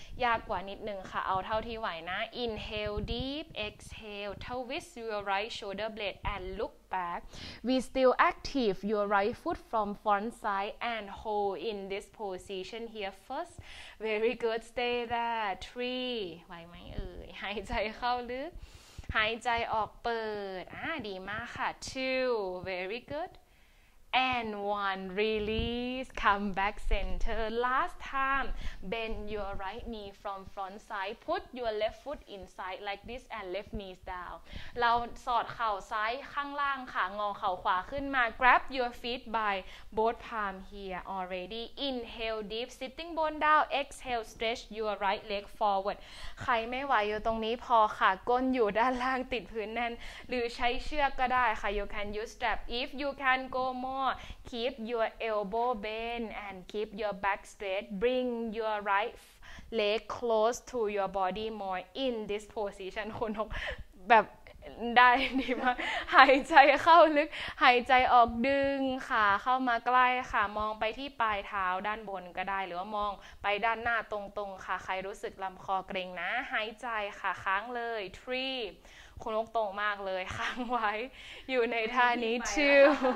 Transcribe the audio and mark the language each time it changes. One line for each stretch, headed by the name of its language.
Thai: ยากกว่านิดนึงค่ะเอาเท่าที่ไหวนะ
English: inhale deep exhale twist your right shoulder blade and look back we still active your right foot from front side and hold in this position here first very good stay there 3
Thai: ไหวไหมเอ่ยหายใจเข้าลึกหายใจออกเปิดดีมากค่ะ
English: 2 very good And one, release, come back center. Last time, bend your right knee from front side. Put your left foot inside like this and left knees down.
Thai: เราสอดเข่าซ้ายข้างล่างค่ะงอเข่าขวาขึ้นมา
English: Grab your feet by both palm here already. Inhale deep, sitting bone down. Exhale, stretch your right leg forward.
Thai: ใครไม่ไหวอยู่ตรงนี้พอค่ะก้นอยู่ด้านล่างติดพื้นแน่นหรือใช้เชือกก็ได้ค่ะ
English: You can use strap if you can go moreKeep your elbow bent and keep your back straight. Bring your right leg close to your body more in this position.
Thai: คุณนกแบบได้ดีมากหายใจเข้าลึกหายใจออกดึงขาเข้ามาใกล้ค่ะมองไปที่ปลายเท้าด้านบนก็ได้หรือว่ามองไปด้านหน้าตรงๆค่ะใครรู้สึกลำคอเกร็งนะหายใจค่ะค้างเลย3คุณนกตรงมากเลยค้างไว้อยู่ในท่านี้ชิล